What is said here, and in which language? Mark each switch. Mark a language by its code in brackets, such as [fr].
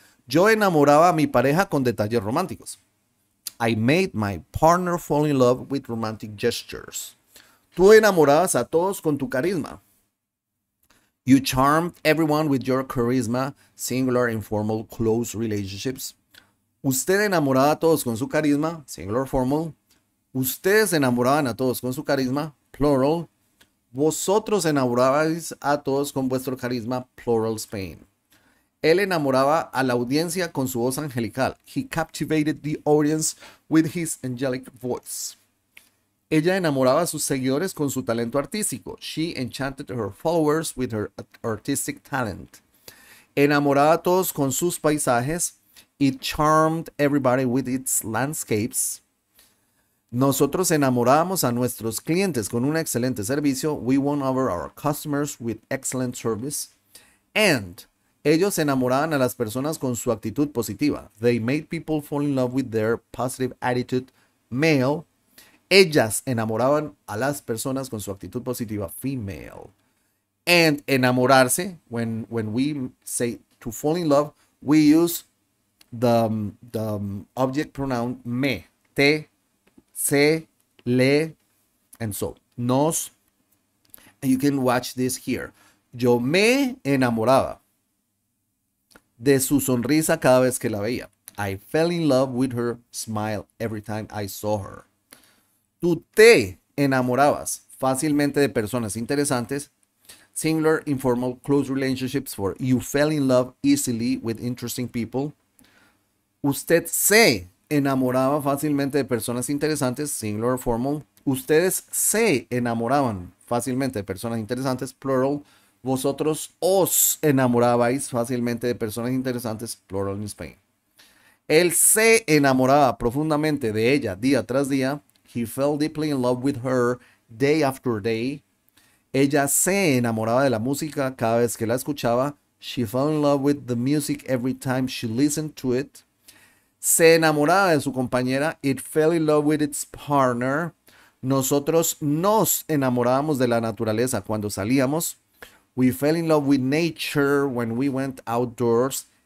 [es] Yo enamoraba a mi pareja con detalles románticos. [en] I made my partner fall in love with romantic gestures. [es] Tú enamorabas a todos con tu carisma. [en] You charmed everyone with your charisma, singular, informal, close relationships. [es] Usted enamoraba a todos con su carisma, [en] singular, formal. [es] Ustedes enamoraban a todos con su carisma, plural. Vosotros enamorabais a todos con vuestro carisma, plural, Spain. Él enamoraba a la audiencia con su voz angelical. [en] He captivated the audience with his angelic voice. [es] Ella enamoraba a sus seguidores con su talento artístico. [en] She enchanted her followers with her artistic talent. [es] Enamoraba a todos con sus paisajes. [en] It charmed everybody with its landscapes. [es] Nosotros enamorábamos a nuestros clientes con un excelente servicio. [en] We won over our customers with excellent service. And [es] ellos enamoraban a las personas con su actitud positiva. [en] They made people fall in love with their positive attitude, male. [es] Ellas enamoraban a las personas con su actitud positiva, female. [en] And enamorarse, when we say to fall in love, we use the object pronoun me, te, se, le, and so. Nos, and you can watch this here. [es] Yo me enamoraba de su sonrisa cada vez que la veía. [en] I fell in love with her smile every time I saw her. [es] Tú te enamorabas fácilmente de personas interesantes. [en] Singular, informal, close relationships for you fell in love easily with interesting people. [es] Usted se enamoraba fácilmente de personas interesantes. Singular, formal. Ustedes se enamoraban fácilmente de personas interesantes. Plural. Vosotros os enamorabais fácilmente de personas interesantes. Plural in Spain. Él se enamoraba profundamente de ella día tras día. [en] He fell deeply in love with her day after day. [es] Ella se enamoraba de la música cada vez que la escuchaba. [en] She fell in love with the music every time she listened to it. [es] Se enamoraba de su compañera. [en] It fell in love with its partner. [es] Nosotros nos enamorábamos de la naturaleza cuando salíamos. [en] We fell in love with nature when we went outdoors.